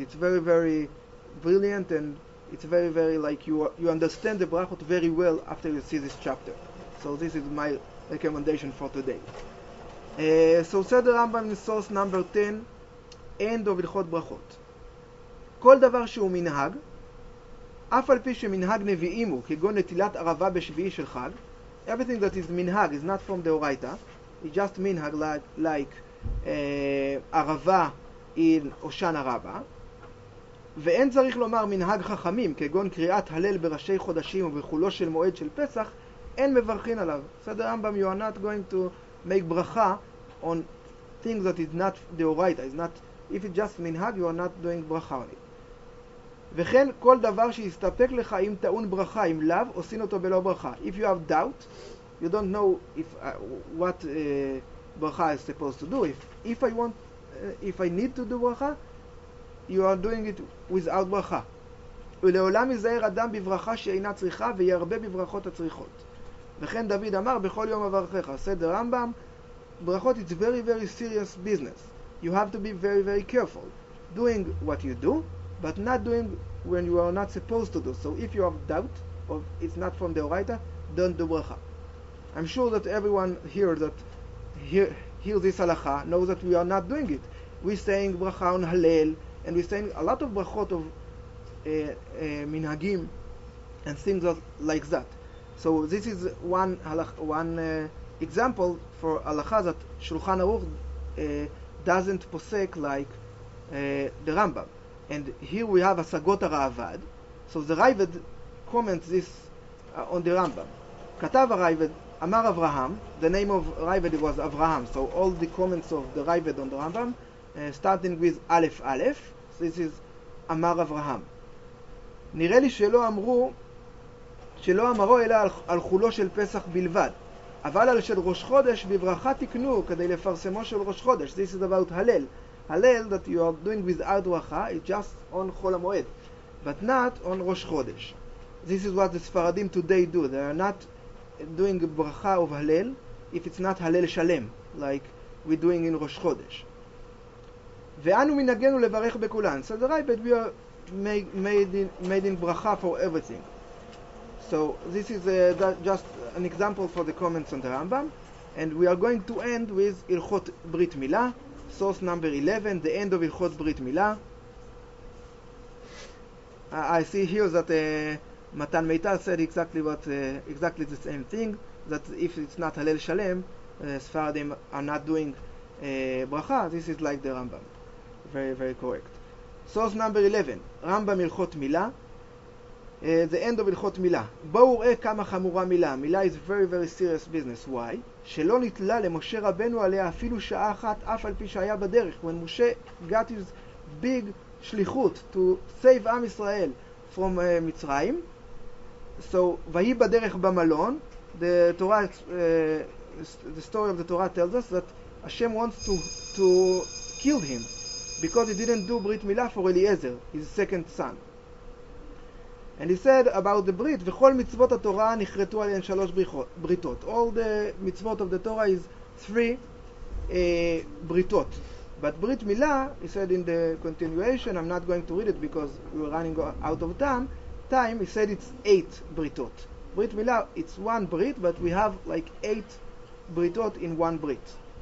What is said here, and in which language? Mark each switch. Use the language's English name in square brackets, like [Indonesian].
[English] It's very, very brilliant, and it's very, very like you understand the Brachot very well after you see this chapter. So this is my recommendation for today. So said the Rambam in source number 10, end of Ilchot Brachot. [Hebrew] כל דבר שהוא מנהג, אף על פי שמנהג נביאים הוא, כגון נטילת ערבה בשביעי של חג, [English] everything that is מנהג is not from the Oraita, it's just מנהג like ערבה in אושן הרבה, [Hebrew] ואין צריך לומר מנהג חכמים, כגון קריאת הלל בראשי חודשים ובחולו של מועד של פסח, אין מברכין עליו. [English] said the Rambam, you are not going to make ברכה on things that is not the oraita, is not, if it just minhag, you are not doing bracha on it. [Hebrew] וכן כל דבר שיסתפק לך אם טעון ברכה, אם לאו, עושים אותו בלא ברכה. [English] If you have doubt, you don't know if what ברכה is supposed to do. If I need to do ברכה, you are doing it without ברכה. [Hebrew] ולעולם יזהר אדם בברכה שאינה צריכה וירבה בברכות הצריכות. וכן דוד אמר בכל יום אברכך, [English] said the Rambam, ברכות, it's very very serious business. You have to be very very careful doing what you do, but not doing when you are not supposed to do. So if you have doubt of it's not from the Oraita, don't do bracha. I'm sure that everyone here that hears this halacha knows that we are not doing it. We're saying bracha on halel, and we're saying a lot of brachot of minhagim and things like that. So this is one halacha, example for halacha that Shulchan Aruch doesn't posek like the Rambam. And here we have a Sagot HaRavad. So the Ravad comments this on the Rambam. Katav HaRavad, Amar Avraham, the name of Ravad was Avraham. So all the comments of the Ravad on the Rambam, starting with Aleph Aleph, so this is Amar Avraham. [Hebrew] נראה לי שלא אמרו שלא אמרו אלא על חולו של פסח בלבד, אבל על של ראש חודש בברכה תקנו כדי לפרסמו של ראש חודש. [English] This is about הלל. הלל that you are doing without ברכה, it's just on חול המועד, but not on ראש חודש. This is what the Sfaradim today do. They are not doing ברכה of הלל if it's not הלל שלם, like we're doing in ראש חודש. [Hebrew] ואנו מנהגנו לברך בכולן. [English] So the right, but we are made in ברכה for everything. So this is just an example for the comments on the Rambam, and we are going to end with Ilchot Brit Milah, source number 11, the end of Ilchot Brit Milah. I see here that Matan Meital said exactly the same thing, that if it's not Halel Shalem, Sfaradim are not doing bracha. This is like the Rambam, very very correct. Source number 11, Rambam Ilchot Milah. The end of הלכות מילה. [Hebrew] בואו ראה כמה חמורה מילה. [English] מילה is very very serious business. Why? [Hebrew] שלא נתלה למשה רבנו עליה אפילו שעה אחת, אף על פי שהיה בדרך. [English] When Moshe got his big שליחות to save עם ישראל from מצרים. [Hebrew] So, והיא בדרך במלון. [English] The story of the Torah tells us that Hashem wants to kill him because he didn't do ברית מילה for Eliezer, his second son. And he said about the Brit, [Hebrew] וכל מצוות התורה נחרטו עליהן שלוש בריתות. [English] All the מצוות of the Torah is three בריתות. But ברית מילה, he said in the continuation, I'm not going to read it because we're running out of time, he said it's eight בריתות. ברית מילה, it's one ברית, but we have like eight בריתות in one ברית.